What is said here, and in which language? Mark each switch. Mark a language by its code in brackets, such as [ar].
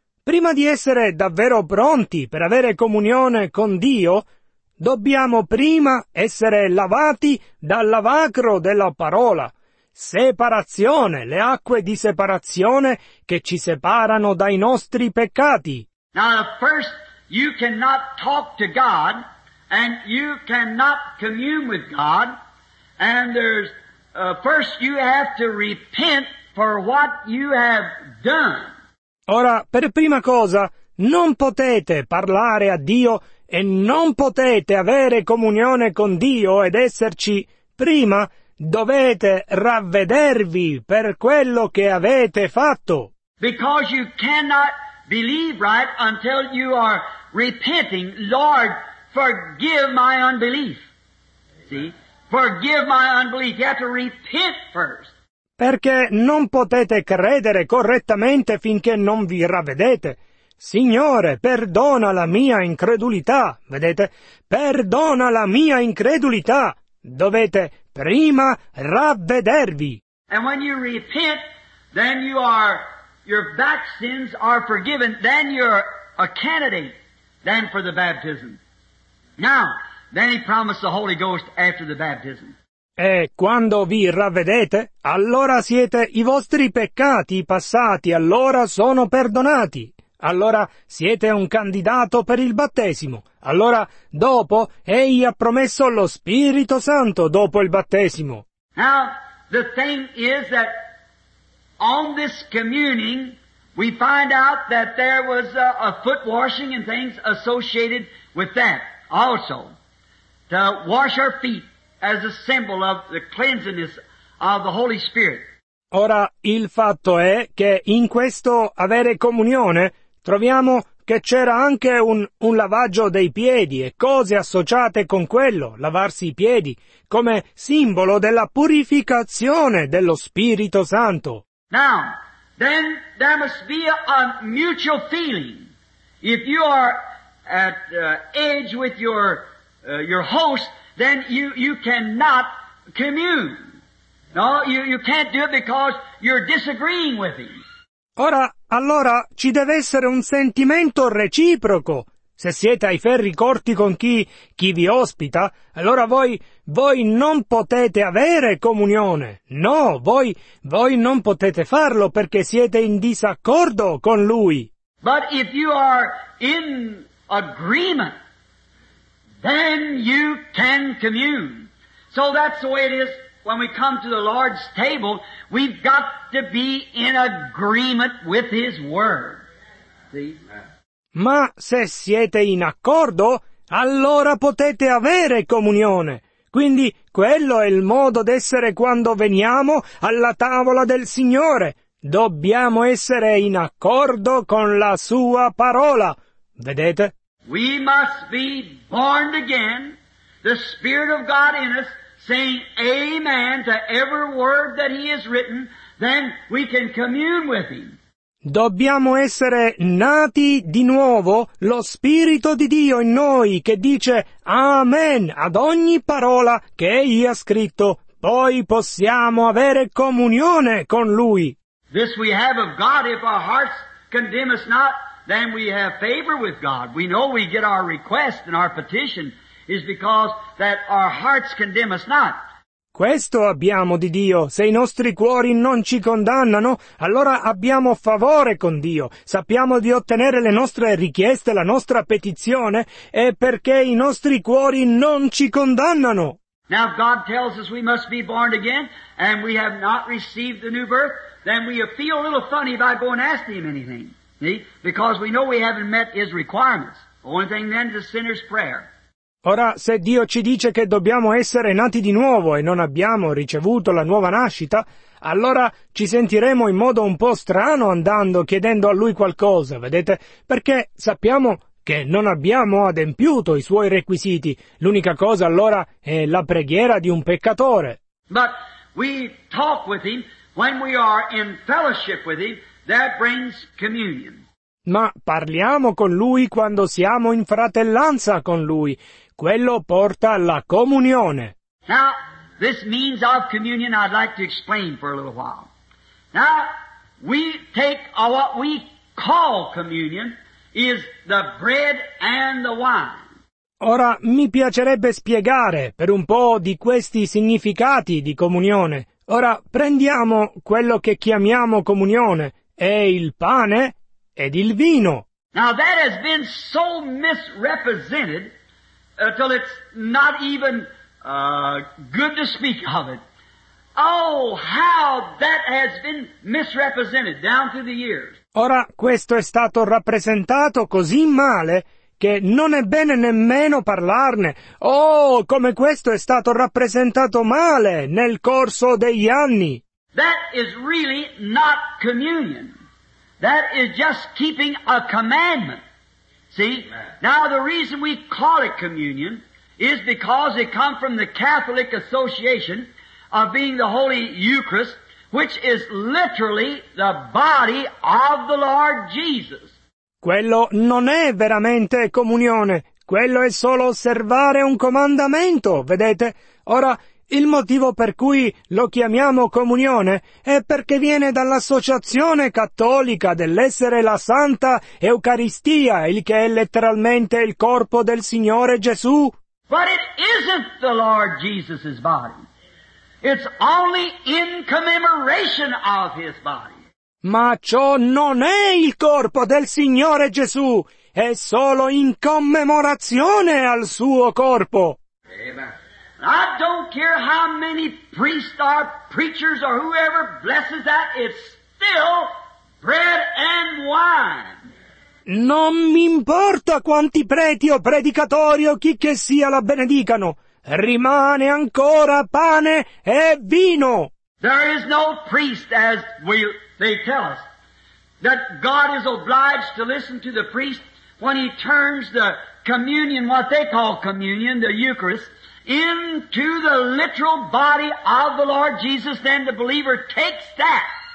[it] Prima di essere davvero pronti per avere comunione con Dio, dobbiamo prima essere lavati dal lavacro della parola. Separazione, le acque di separazione che ci separano dai nostri peccati. [en] Now, first, you cannot talk to God and you cannot commune with God. And there's first you have to repent for what you have done. [it] Ora, per prima cosa, non potete parlare a Dio e non potete avere comunione con Dio ed esserci. Prima dovete ravvedervi per quello che avete fatto. [en] Because you cannot believe right until you are repenting. Lord, forgive my unbelief. See? Forgive my unbelief. You have to repent first. [it] Perché non potete credere correttamente finché non vi ravvedete. Signore, perdona la mia incredulità. Vedete? Perdona la mia incredulità. Dovete prima ravvedervi. [en] And when you repent, then you are, your back sins are forgiven. Then you're a candidate then for the baptism. Now, then he promised the Holy Ghost after the baptism. [it] E quando vi ravvedete, allora siete i vostri peccati passati, allora sono perdonati. Allora siete un candidato per il battesimo. Allora, dopo, egli ha promesso lo Spirito Santo dopo il battesimo. [en] Now, the thing is that on this communing, we find out that there was a foot washing and things associated with that also. To wash our feet as a symbol of the cleansingness of the Holy Spirit. [it] Ora, il fatto è che in questo avere comunione troviamo che c'era anche un lavaggio dei piedi e cose associate con quello, lavarsi i piedi, come simbolo della purificazione dello Spirito Santo. [en] Now, then there must be a mutual feeling. If you are at edge with your host, then you cannot commune. No, you can't do it because you're disagreeing with him. [it] Ora, allora, ci deve essere un sentimento reciproco. Se siete ai ferri corti con chi vi ospita, allora voi non potete avere comunione. No, voi non potete farlo perché siete in disaccordo con lui. [en] But if you are in agreement, then you can commune. So that's the way it is when we come to the Lord's table. We've got to be in agreement with His Word. See? [it] Ma se siete in accordo, allora potete avere comunione. Quindi quello è il modo d'essere quando veniamo alla tavola del Signore. Dobbiamo essere in accordo con la Sua parola. Vedete? [en] We must be born again, the Spirit of God in us, saying amen to every word that He has written, then we can commune with Him. [it] Dobbiamo essere nati di nuovo, lo Spirito di Dio in noi, che dice amen ad ogni parola che Egli ha scritto, poi possiamo avere comunione con Lui. [en] This we have of God, if our hearts condemn us not, then we have favor with God. We know we get our request and our petition is because that our hearts condemn us not. [it] Questo abbiamo di Dio. Se i nostri cuori non ci condannano, allora abbiamo favore con Dio. Sappiamo di ottenere le nostre richieste, la nostra petizione, è perché i nostri cuori non ci condannano. [en] Now God tells us we must be born again, and we have not received the new birth, then we feel a little funny by going and asking Him anything. See? Because we know we haven't met His requirements. The only thing then is the sinner's prayer. [it] Ora, se Dio ci dice che dobbiamo essere nati di nuovo e non abbiamo ricevuto la nuova nascita, allora ci sentiremo in modo un po' strano andando chiedendo a Lui qualcosa, vedete? Perché sappiamo che non abbiamo adempiuto i Suoi requisiti. L'unica cosa allora è la preghiera di un peccatore. [en] But we talk with Him when we are in fellowship with Him, that brings communion. [it] Ma parliamo con Lui quando siamo in fratellanza con Lui. Quello porta alla comunione. [en] Now, this means of communion I'd like to explain for a little while. Now, we take what we call communion is the bread and the wine. [it] Ora, mi piacerebbe spiegare per un po' di questi significati di comunione. Ora, prendiamo quello che chiamiamo comunione, è il pane ed il vino. [en] Now that has been so misrepresented until it's not even good to speak of it. Oh, how that has been misrepresented down through the years. [it] Ora questo è stato rappresentato così male che non è bene nemmeno parlarne. Oh, come questo è stato rappresentato male nel corso degli anni. [en] That is really not communion. That is just keeping a commandment. See? Now the reason we call it communion is because it comes from the Catholic association of being the Holy Eucharist, which is literally the body of the Lord Jesus. [it] Quello non è veramente comunione. Quello è solo osservare un comandamento, vedete? Ora, il motivo per cui lo chiamiamo comunione è perché viene dall'associazione cattolica dell'essere la Santa Eucaristia, il che è letteralmente il corpo del Signore Gesù. [en] But it isn't the Lord Jesus' body. It's only in commemoration of His body. [it] Ma ciò non è il corpo del Signore Gesù, è solo in commemorazione al suo corpo. [en] Amen. I don't care how many priests or preachers or whoever blesses that, it's still bread and wine. [it] Non mi importa quanti preti o predicatori o chi che sia la benedicano, rimane ancora pane e vino. [en] There is no priest, as they tell us, that God is obliged to listen to the priest when he turns the communion, what they call communion, the Eucharist, into the literal body of the Lord Jesus, then the believer takes that.